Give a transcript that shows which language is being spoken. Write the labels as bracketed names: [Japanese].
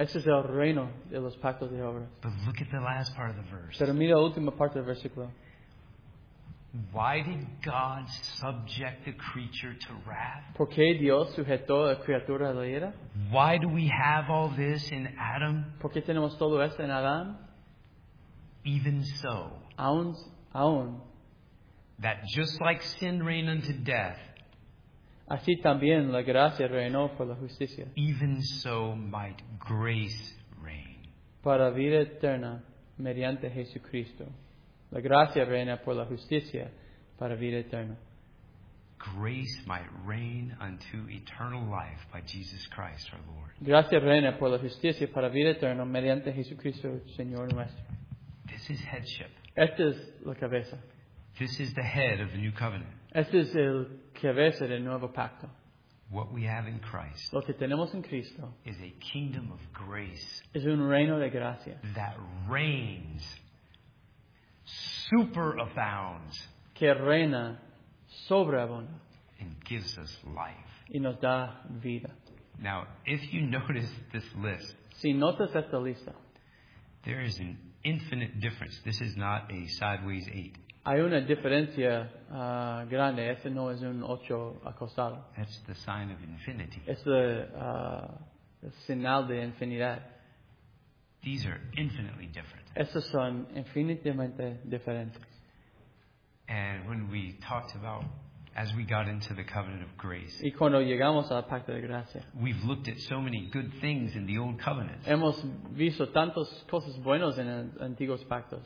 [Spanish] Ese es el reino de los pactos de obras. [English] But look at the last part of the verse. [Spanish] Pero mira la última parte del versículo. [English] Why did God subject the creature to wrath? [Spanish] ¿Por qué Dios sujetó a la criatura a la ira? [English] Why do we have all this in Adam? [Spanish] ¿Por qué tenemos todo esto en Adán? [English] Even so, [Spanish] aún, [English] that just like sin reigned unto death, [Spanish] así también la gracia reinó por la justicia, [English] even so might grace reign [Spanish] para vida eterna mediante Jesucristo. La gracia reina por la justicia para vida eterna. [English] Grace might reign unto eternal life by Jesus Christ our Lord. [Spanish] Gracia reina por la justicia para vida eterna mediante Jesucristo Señor nuestro. [English] This is headship. [Spanish] Esta es la cabeza. [English] This is the head of the new covenant. [Spanish] Esta es el cabeza del nuevo pacto. [English] What we have in Christ, [Spanish] lo que tenemos en Cristo, [English] is a kingdom of grace. [Spanish] Es un reino de gracia [English] that reigns, superabounds, [Spanish] que reina sobreabunda, [English] and gives us life. [Spanish] Y nos da vida. [English] Now, if you notice this list, [Spanish] si notas esta lista, [English] there is an infinite difference. This is not a sideways eight. [Spanish] Hay una diferencia grande. Este no es un ocho acostado. [English] That's the sign of infinity. [Spanish] Es el señal de infinidad. [English] These are infinitely different. [Spanish] Estos son infinitamente diferentes. [English] And when we talked about, as we got into the covenant of grace, [Spanish] y cuando llegamos al pacto de gracia, [English] we've looked at so many good things in the old covenant. [Spanish] Hemos visto tantas cosas buenas en antiguos pactos.